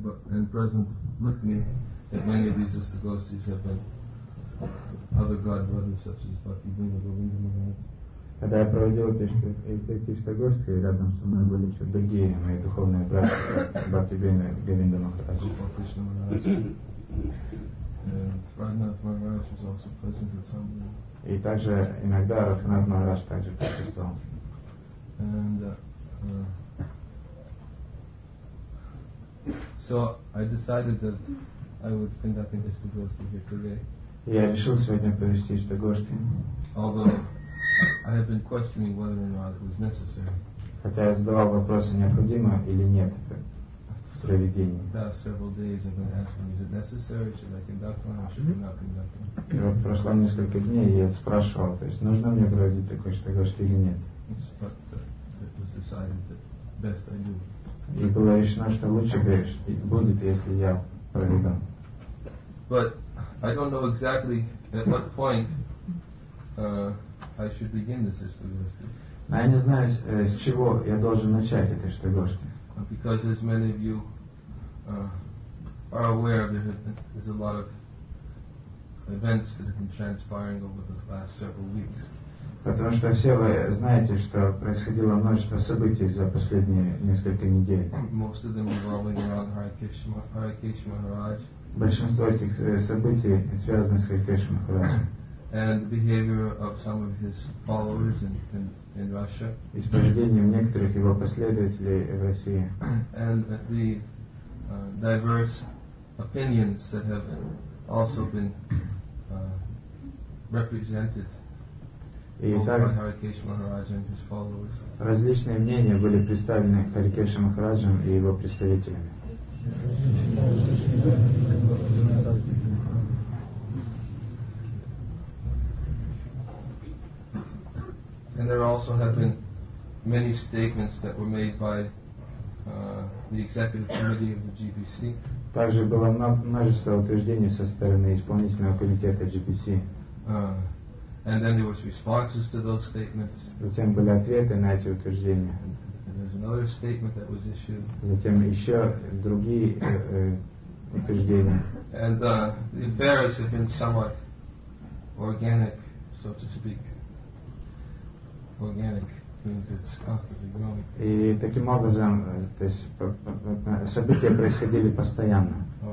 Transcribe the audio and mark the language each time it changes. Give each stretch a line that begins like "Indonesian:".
English: and present litany that many of these astagostis have been other god brothers such as Bhakti Vinod Govinda Maharaj.
Russian: Когда я проводил эти истогостки, рядом со мной были еще другие мои духовные братья, Бхакти Бина и Говинда Махарадж. Гупа Кришна Махарадж.
English: Радханатх Махарадж was also present at some point.
Russian: И также иногда Радханатх Махарадж также присутствовал.
English: And, so I decided that I would conduct an истогостки here today.
Russian: Я решил сегодня провести истогостки.
English: I have been questioning whether or not it was necessary.
Russian: Хотя я задавал вопрос, необходимо или нет проведение.
English: Thus, several days I've been asking, is it necessary? Should I conduct one or should I not conduct one?
Russian: И вот прошло несколько дней, и я спрашивал, то есть нужно мне проводить такое что-то или нет.
English: But it was decided that best I do.
Russian: И было решено, что лучше будет, если я проведу.
English: But I don't know exactly at what point. I should begin this istogosti.
Russian: Но я не знаю, с чего я должен начать это истогости.
English: Because as many of you are aware, there's a lot of events that have been transpiring over the last several weeks.
Russian: Потому что все вы знаете, что происходило множество событий за последние несколько недель.
English: Most of them revolving around Hare Krishna Maharaj.
Russian: Большинство этих событий связаны с Hare Krishna Maharaj.
English: And the behavior of some of his followers in Russia.
Russian: И с поведением некоторых его последователей в России.
English: And the diverse opinions that have also been represented by Hare Krishna Maharaj and his followers.
Russian: Различные мнения были представлены Hare Krishna Maharaj и его представителями.
English: And there also have been many statements that were made by the executive committee of the GBC.
Russian: Также было множество утверждений со стороны исполнительного комитета GBC.
English: And then there was responses to those statements.
Russian: Затем были ответы на эти утверждения.
English: And there's another statement that was issued.
Russian: Затем еще другие утверждения.
English: And the affairs have been somewhat organic, so to speak. Organic means it's constantly growing.
Russian: И таким образом, то есть события происходили постоянно.